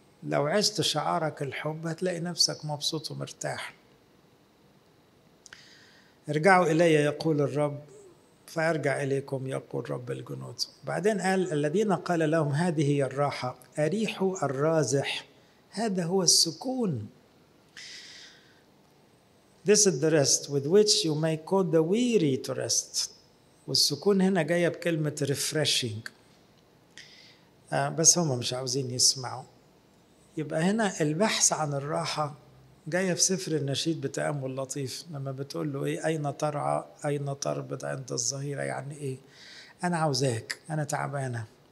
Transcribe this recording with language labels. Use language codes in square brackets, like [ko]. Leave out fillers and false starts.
[ar] لو عشت شعارك الحب هتلاقي نفسك مبسوط ومرتاح. ارجعوا إلي يقول الرب فأرجع إليكم يقول رب الجنود. بعدين قال الذين قال لهم هذه هي الراحة أريحوا الرازح، هذا هو السكون. [en] This is the rest with which you may call the weary to rest. [ar] والسكون هنا جاية بكلمة refreshing، بس هم مش عاوزين يسمعوا. يبقى هنا البحث عن الراحة جاية في سفر النشيد بتأمل لطيف، لما بتقول له إيه؟ أين ترعى؟ أين تربط عند الظهيرة؟ يعني إيه؟ أنا عاوزاك، أنا تعبانة.